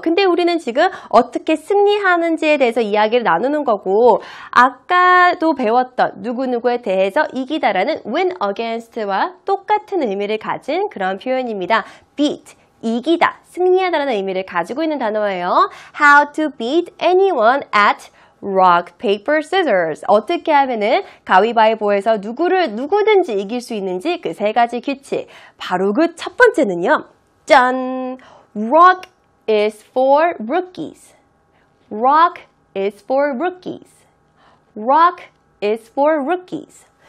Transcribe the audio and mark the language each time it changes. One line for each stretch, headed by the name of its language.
Korean: 근데 우리는 지금 어떻게 승리하는지에 대해서 이야기를 나누는 거고, 아까도 배웠던 누구누구에 대해서 이기다라는
English: win against
Korean: 와 똑같은 의미를 가진 그런 표현입니다. beat, 이기다, 승리하다라는 의미를 가지고 있는 단어예요.
English: how to beat anyone at Rock, paper, scissors.
Korean: 어떻게 하면은 가위바위보에서 누구를 누구든지 이길 수 있는지 그 세 가지 규칙. 바로 그 첫 번째는요. 짠!
English: Rock is for rookies. Rock is for rookies. Rock is for rookies.